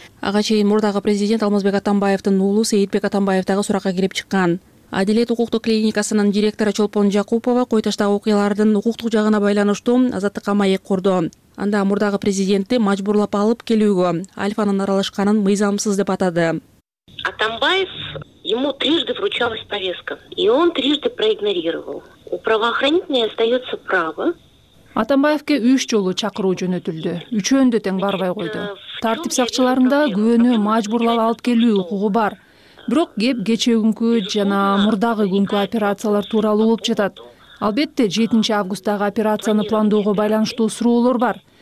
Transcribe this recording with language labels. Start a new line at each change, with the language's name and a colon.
Kyrgyz: Ага чейин мурдагы президент Алмазбек Атамбаевдин уулу Сейитбек Атамбаев дагы суракка кирип чыккан. Аделет укуктук клиникасынын директору Чолпон Жакупова Койташтагы окуялардын укуктук жагына байланыштуу азаттыкка маек курду. Анда мурдагы президентти мажбурлап алып келүүгө Альфанын аралашканын мыйзамсыз деп атады.
Russian: Атамбаев, ему трижды вручалась повестка, и он трижды проигнорировал. У правоохранительной остается право.
Kyrgyz: Атамбаевке 3 жолу чакыруу жөнөтүлдү. Үчөөндө тең барбай койду. Тартип сакчыларында күбөнү мажбурлап алып келүү укугу бар. Бирок кеп кечээ күнкү жана мурдагы күнкү операциялар тууралуу болуп жатат. Албетте 7 августтагы операцияны пландоого байланыштуу суроолор бар.